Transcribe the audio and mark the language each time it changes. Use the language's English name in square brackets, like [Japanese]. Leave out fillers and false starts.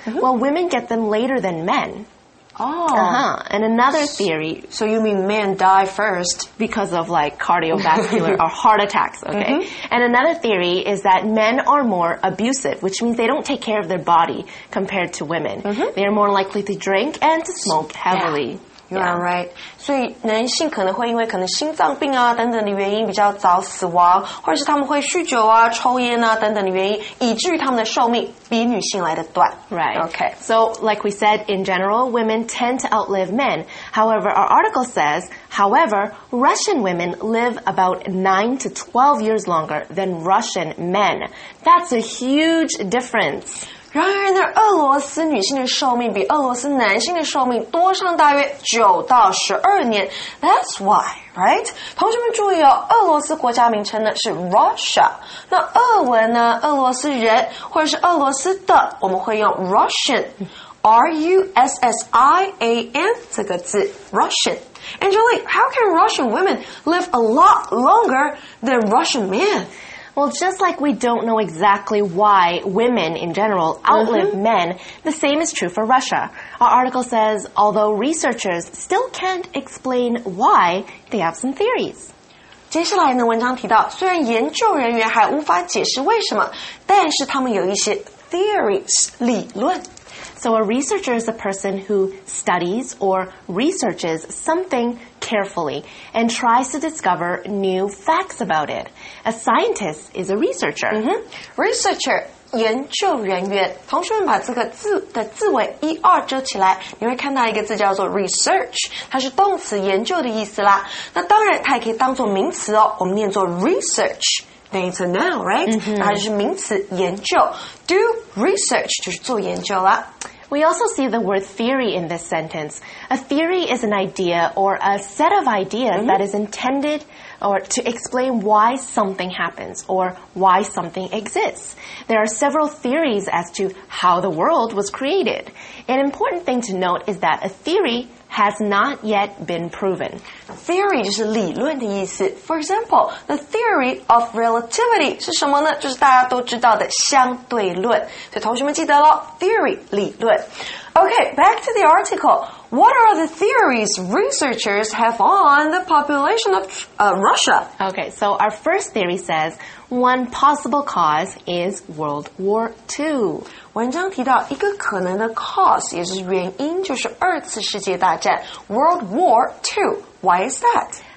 [English] Mm-hmm. Well, women get them later than men. And another theory. So you mean men die first? Because of like cardiovascular or heart attacks, okay? Mm-hmm. And another theory is that men are more abusive, which means they don't take care of their body compared to women. Mm-hmm. They are more likely to drink and to smoke heavily. Yeah. You're right. [Chinese] 所以男性可能会因为可能心脏病啊等等的原因比较早死亡，或者是他们会酗酒啊、抽烟啊等等的原因，以至于他们的寿命比女性来的短。 [English] Right. Okay. So, like we said, in general, women tend to outlive men. However, our article says, however, Russian women live about 9 to 12 years longer than Russian men. That's a huge difference. [Chinese] 然而呢，俄罗斯女性的寿命比俄罗斯男性的寿命多上大约9到12年。 [English] That's why, right? [Chinese] 同学们注意哦，俄罗斯国家名称呢是 Russia。那俄文呢，俄罗斯人或者是俄罗斯的，我们会用 Russian, R-U-S-S-I-A-N 这个字 Russian。 [English] Angeline, how can Russian women live a lot longer than Russian men? Well, just like we don't know exactly why women in general outlive mm-hmm. men, the same is true for Russia. Our article says, although researchers still can't explain why, they have some theories. [Chinese] 接下来呢，文章提到，虽然研究人员还无法解释为什么，但是他们有一些 theories, 理论。 [English] So a researcher is a person who studies or researches something carefully and tries to discover new facts about it. A scientist is a researcher. [Chinese] Researcher, 研究人员。同学们把这个字的字尾一二遮起来，你会看到一个字叫做 research， 它是动词研究的意思啦。那当然它也可以当作名词哦，我们念作 research。 [English] Then it's a noun, right? [Chinese] 那它就是名词研究。 [English] Do research [Chinese] 就是做研究啦。 [English] We also see the word theory in this sentence. A theory is an idea or a set of ideas that is intended or to explain why something happens or why something exists. There are several theories as to how the world was created. An important thing to note is that a theory has not yet been proven. [Chinese] Theory 就是理论的意思。 [English] For example, the theory of relativity [Chinese] 是什么呢？就是大家都知道的相对论。所以同学们记得咯， theory 理论。 [English] Okay, back to the article. What are the theories researchers have on the population of Russia? Okay, so our first theory says one possible cause is World War II. [Chinese] 文章提到一个可能的 cause, 也就是原因就是二次世界大战 World War II. [English] Why is that?